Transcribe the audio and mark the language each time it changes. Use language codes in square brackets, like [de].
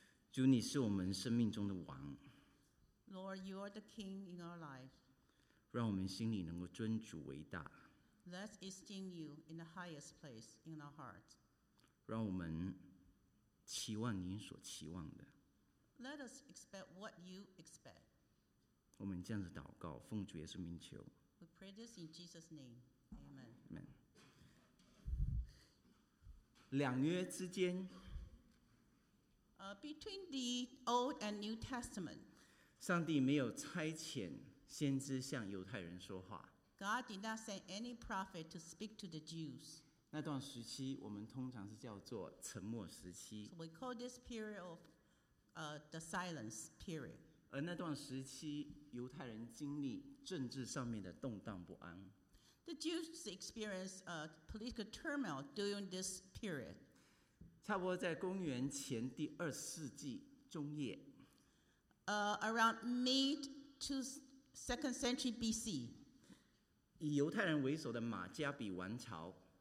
[zh] 主，你是我们生命中的王。 [en] Lord, you are the king in our lives. [zh] 让我们心里能够尊主为大。 [en] Let's esteem you in the highest place in our hearts. [zh] 让我们期望您所期望的。 [en] Let us expect what you expect. [zh] 我们这样子祷告，奉主耶稣名求。 [en] We pray this in Jesus' name. Amen. Amen. [zh] 两约之间。 [en] Between the Old and New Testament. [zh] 上帝没有差遣先知向犹太人说话。 [en] God did not send any prophet to speak to the Jews. [zh] 那段时期我们通常是叫做沉默时期。 [en] So we call this period of the silence period. [zh] 而那段时期犹太人经历政治上面的动荡不安。 [en] The Jews experienced a political turmoil during this period. [zh] 差不多在公元前第二世纪中叶。 [en] Around mid to second century BC. [zh] 以犹太人为首的马加比王朝。